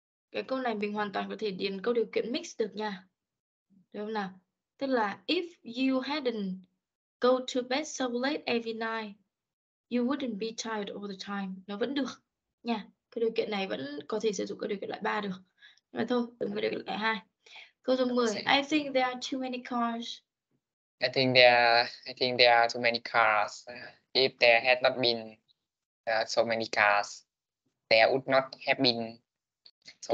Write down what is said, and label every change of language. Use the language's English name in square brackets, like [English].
[Vietnamese] Cái câu này mình hoàn toàn có thể điền câu điều kiện mix được nha. Được không nào? [English] Tức là if you hadn't go to bed so late every night, you wouldn't be tired all the time. [Vietnamese] Nó vẫn được nha. Cái điều kiện này vẫn có thể sử dụng cái điều kiện loại 3 được. Nhưng mà thôi, đừng có điều kiện loại 2. Câu số 10. I think there are too many cars [English] I think there are too many cars. If there had not been so many cars, there would not have been so